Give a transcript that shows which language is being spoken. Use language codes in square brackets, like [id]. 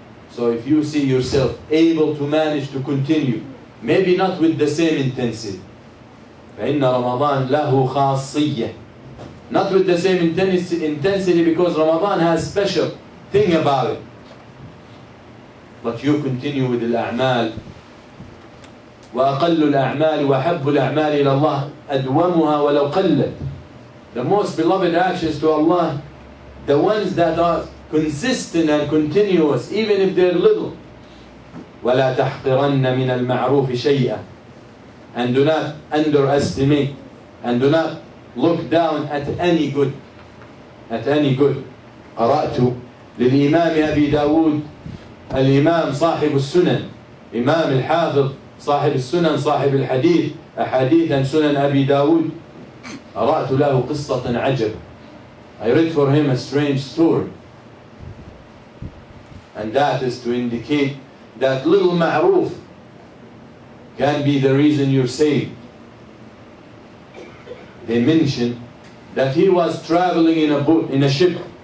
[en] So if you see yourself able to manage to continue, maybe not with the same intensity. [ar] فَإِنَّ رَمَضَانْ لَهُ خَاصِيَّةِ. [en] Not with the same intensity because Ramadan has special thing about it. But you continue with al-a'mal [ar] وأقل الأعمال وأحب الأعمال إلى الله أدومها ولو قلت. [en] The most beloved actions to Allah, the ones that are consistent and continuous, even if they're little. [ar] ولا تحقرن من المعروف شيئا. [en] And do not underestimate, and do not look down at any good. At any good. [ar] قرأت للإمام أبي داود الإمام صاحب السنن إمام الحافظ صاحب السنن صاحب الحديث أحاديث سنن أبي داود قرأت له قصة عجب. [en] I read for him a strange story. And that is to indicate that little ma'roof can be the reason you're saved. They mentioned that he was traveling in a boat, in a ship.